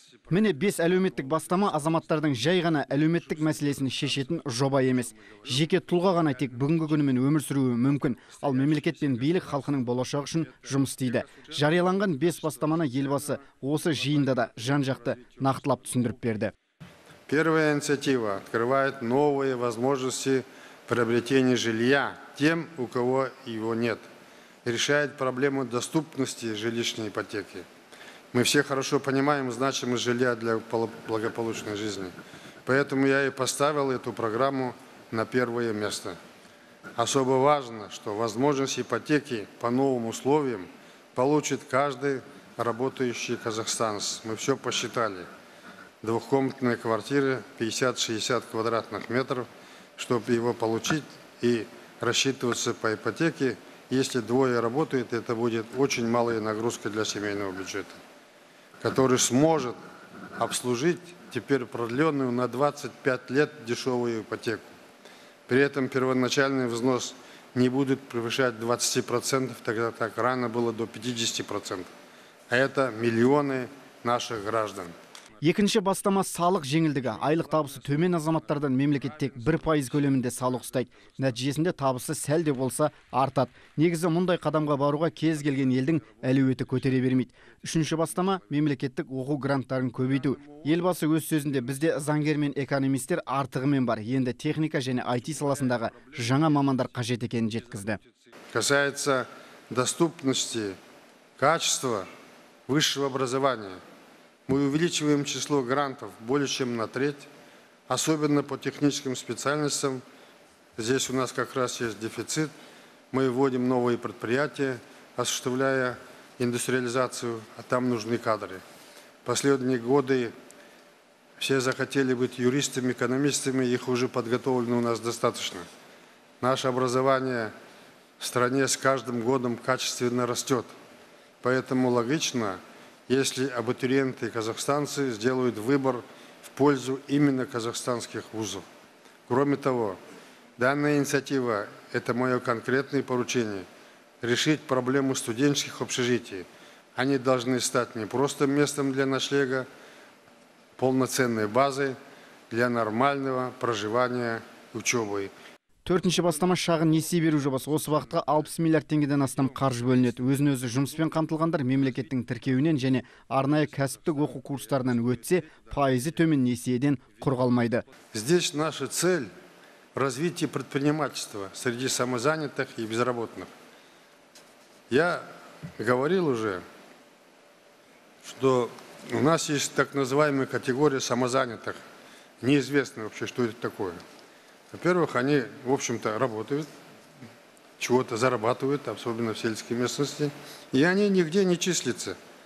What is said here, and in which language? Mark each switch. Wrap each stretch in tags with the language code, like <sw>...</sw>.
<kk>Міне бес әлеуметтік бастама азаматтардың жай ғана әлеуметтік мәселесін шешетін жоба емес. Жеке тұлға ғана тек бүгінгі күнімен өмір сүруі мүмкін, ал мемлекет пен билік халқының болашағы үшін жұмыс істейді. Жарияланған бес бастаманы елбасы осы жиында да жан-жақты нақтылап түсіндіріп берді.</kk> <ru>Первая инициатива открывает новые возможности приобретения жилья тем, у кого его нет. Решает проблему доступности жилищной ипотеки. Мы все хорошо понимаем значимость жилья для благополучной жизни. Поэтому я и поставил эту программу на первое место. Особо важно, что возможность ипотеки по новым условиям получит каждый работающий казахстанец. Мы все посчитали. Двухкомнатные квартиры 50-60 квадратных метров, чтобы его получить и рассчитываться по ипотеке. Если двое работают, это будет очень малая нагрузка для семейного бюджета, который сможет обслужить теперь продленную на 25 лет дешевую ипотеку. При этом первоначальный взнос не будет превышать 20%, тогда как рано было до 50%. А это миллионы наших граждан.</ru> <kk>Екінші бастама салық жеңілдігі. Айлық табысы төмен азаматтардан мемлекет тек 1% көлемінде салық ұстайды. Нәтижесінде табысы сәл де болса артады. Негізі мұндай қадамға баруға кез келген елдің әлеуеті көтере бермейді. Үшінші бастама мемлекеттік оқу гранттарын көбейту. Елбасы өз сөзінде бізде заңгер мен экономистер артығымен бар. Енді техника және IT саласындағы жаңа мамандар қажет екенін жеткізді.</kk> <ru>Касается доступности, качества высшего образования. Мы увеличиваем число грантов более чем на треть, особенно по техническим специальностям. Здесь у нас как раз есть дефицит. Мы вводим новые предприятия, осуществляя индустриализацию, а там нужны кадры. Последние годы все захотели быть юристами, экономистами, их уже подготовлено у нас достаточно. Наше образование в стране с каждым годом качественно растет, поэтому логично, если абитуриенты и казахстанцы сделают выбор в пользу именно казахстанских вузов. Кроме того, данная инициатива – это мое конкретное поручение – решить проблему студенческих общежитий. Они должны стать не просто местом для ночлега, полноценной базой для нормального проживания и учебы.</ru> <kk>Төртінші бастама шағын несие беру жобасы. Осы уақытқа 60 миллиард теңгеден астам қаржы бөлінеді. Өзін өзі жұмыспен қамтылғандар мемлекеттің тіркеуінен және арнайы кәсіптік оқу курстарынан өтсе, пайызы төмен несиеден құр қалмайды.</kk> <ru>Здесь наша цель – развитие предпринимательства среди самозанятых и безработных. Я говорил уже, что у нас есть так называемая категория самозанятых. Неизвестно вообще, что это такое. Во-первых, они, в общем-то, работают, чего-то зарабатывают, особенно в сельской местности, и они нигде не числятся.</ru>